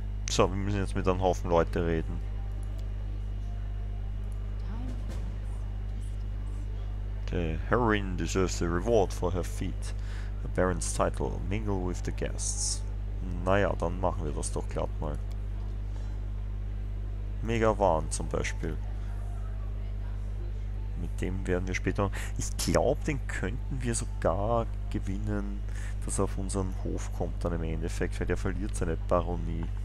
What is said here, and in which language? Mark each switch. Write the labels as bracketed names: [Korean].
[German] So, wir müssen jetzt mit einem Haufen Leute reden. [English] The heroine deserves a reward for her feat. A baron's title, mingle with the guests. [German] Naja, dann machen wir das doch glatt mal. Megawan zum Beispiel. Mit dem werden wir später... Ich glaube, den könnten wir sogar gewinnen, dass er auf unseren Hof kommt dann im Endeffekt, weil er verliert seine Baronie.